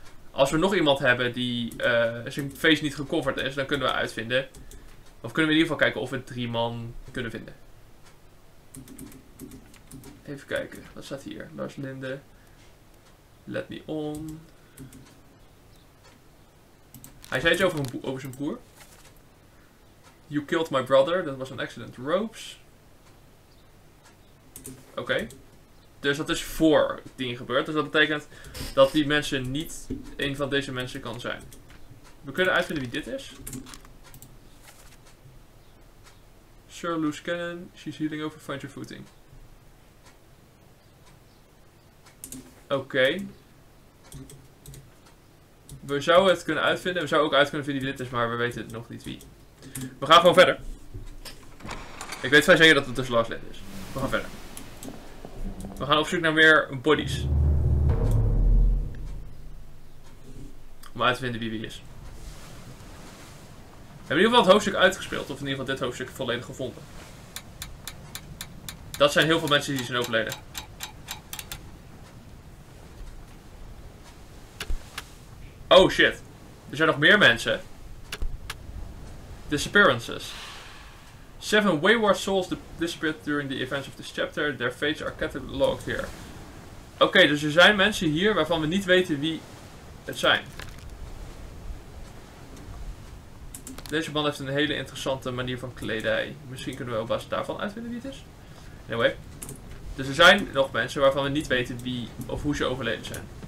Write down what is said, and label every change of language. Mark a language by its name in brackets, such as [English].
[Dutch] Als we nog iemand hebben die zijn face niet gecoverd is, dan kunnen we uitvinden. Of kunnen we in ieder geval kijken of we drie man kunnen vinden. Even kijken, wat staat hier? Lars Linde. Let me on. Hij zei iets over, over zijn broer. [English] You killed my brother, that was an accident. Ropes. [Dutch] Oké. Okay. Dus dat is voor Dean gebeurd. Dus dat betekent dat die mensen niet een van deze mensen kan zijn. We kunnen uitvinden wie dit is. [English] Sir Luce Cannon, she's healing over, find your footing. [Dutch] Oké. Okay. We zouden het kunnen uitvinden. We zouden ook uit kunnen vinden wie dit is, maar we weten nog niet wie. We gaan gewoon verder. Ik weet vrij zeker dat het dus Lars Linde is. We gaan verder. We gaan op zoek naar meer bodies. Om uit te vinden wie is. We hebben in ieder geval het hoofdstuk uitgespeeld. Of in ieder geval dit hoofdstuk volledig gevonden. Dat zijn heel veel mensen die zijn overleden. Oh shit. Er zijn nog meer mensen. Disappearances. [English] 7 wayward souls disappeared during the events of this chapter. Their fates are cataloged here. [Dutch] Oké, dus er zijn mensen hier waarvan we niet weten wie het zijn. Deze man heeft een hele interessante manier van kledij. Misschien kunnen we op basis daarvan uitvinden wie het is. Anyway. Dus er zijn nog mensen waarvan we niet weten wie of hoe ze overleden zijn.